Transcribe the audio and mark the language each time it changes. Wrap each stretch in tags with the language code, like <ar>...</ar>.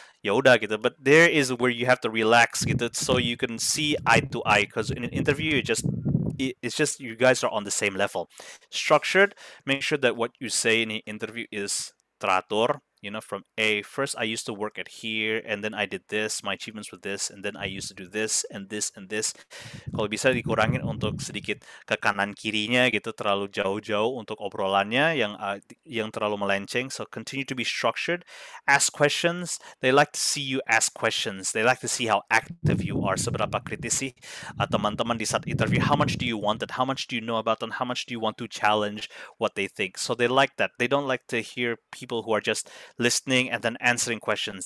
<id>Ya udah gitu,</id> <en>but there is where you have to relax, gitu. So you can see eye to eye, because in an interview you just. It's just you guys are on the same level. Structured, make sure that what you say in the interview is teratur, you know, from A, first I used to work at here, and then I did this, my achievements were this, and then I used to do this, and this, and this.</en> <id>Kalau bisa dikurangin untuk sedikit ke kanan-kirinya gitu, terlalu jauh-jauh untuk obrolannya yang terlalu melenceng.</id> <en>So continue to be structured. Ask questions. They like to see you ask questions. They like to see how active you are.</en> <id>Seberapa kritis sih teman-teman di saat interview.</id> <en>How much do you want it? How much do you know about them? How much do you want to challenge what they think? So they like that. They don't like to hear people who are just listening and then answering questions.</en>